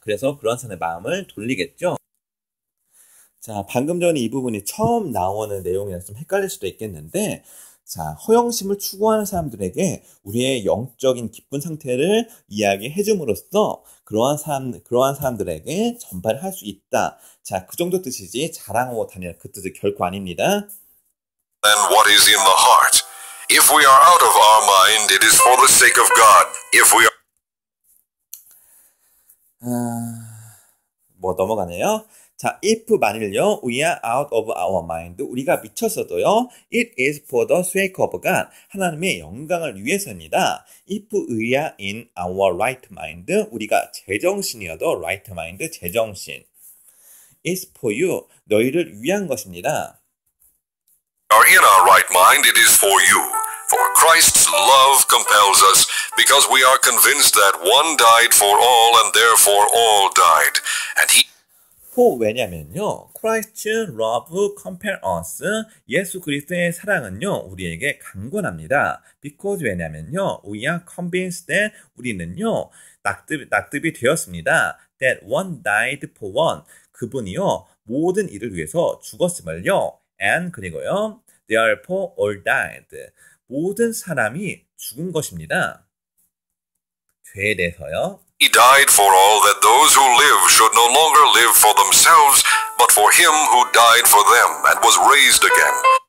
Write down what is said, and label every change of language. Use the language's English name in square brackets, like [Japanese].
[Korean] 그래서 그런 사람의 마음을 돌리겠죠. 자, 방금 전에 이 부분이 처음 나오는 내용이라서 좀 헷갈릴 수도 있겠는데, 자, 허영심을 추구하는 사람들에게 우리의 영적인 기쁜 상태를 이야기해줌으로써 그러한 사람들에게 전파를 할수 있다. 자, 그 정도 뜻이지 자랑하고 다니는 그 뜻은 결코 아닙니다. [English] Than what is in the heart. If we are out of our mind, it is for the sake of God. If we are. [Korean] 뭐 넘어가네요. [English] 자, if [Korean] 만일요, [English] we are out of our mind, [Korean] 우리가 미쳤어도요, [English] it is for the sake of God, [Korean] 하나님의 영광을 위해서입니다. [English] If we are in our right mind, [Korean] 우리가 제정신이어도 [English] right mind, [Korean] 제정신. [English] It's for you, [Korean] 너희를 위한 것입니다. [English] Are in our right mind, it is for you. For Christ's love compels us, because we are convinced that one died for all, and therefore all died, and he. For [Korean] 왜냐면요, [English] Christ's love compels us. [Korean] 예수 그리스도의 사랑은요, 우리에게 강권합니다. [English] Because [Korean] 왜냐면요, [English] we are convinced that [Korean] 우리는요, 낙득이 되었습니다. [English] That one died for one. [Korean] 그분이요, 모든 이를 위해서 죽었음을요. [English] And [Korean] 그리고요, [English] therefore all died. [Korean] 모든 사람이 죽은 것입니다. 죄에 대해서요. [English] He died for all that those who live should no longer live for themselves, but for him who died for them and was raised again.